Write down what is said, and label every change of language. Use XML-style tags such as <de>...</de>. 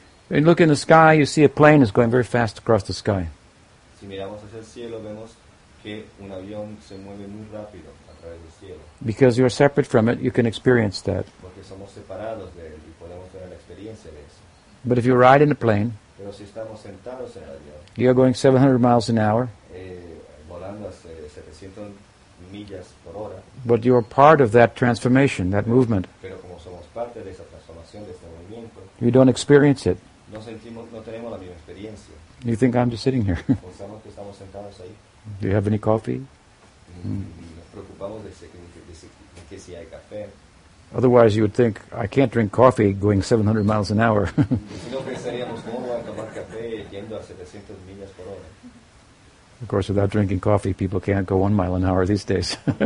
<en>And look in the sky, you see a plane is going very fast across the sky.</en> <es>Si miramos hacia el cielo, vemos que un avión se mueve muy rápido a través del cielo.</es> <en>Because you're separate from it, you can experience that.</en> <es>Porque somos separados de él y podemos tener la experiencia de eso.</es> <en>But if you ride in a plane,</en> <es>pero si estamos sentados en el avión,</es> <en>you're going 700 miles an hour,</en> <es>volando a 700 millas por hora.</es> <en>But you are part of that transformation, that movement.</en> <es>Pero como somos parte de esa transformación, de este movimiento,</es> <en>you don't experience it.</en> <es>No sentimos, no tenemos la misma experiencia.</es> <en>You think I'm just sitting here.</en> <es>Pensamos que estamos sentados ahí.</es> <en>Do you have any coffee?</en> <es>Nos preocupamos de que si hay café.</es> <en>Otherwise you would think, I can't drink coffee going 700 miles an hour.</en> <es>Si no pensaríamos, ¿cómo voy a tomar café yendo a 700 millas por hora?</es> <en>Of course, without drinking coffee, people can't go 1 mile an hour these days.</en>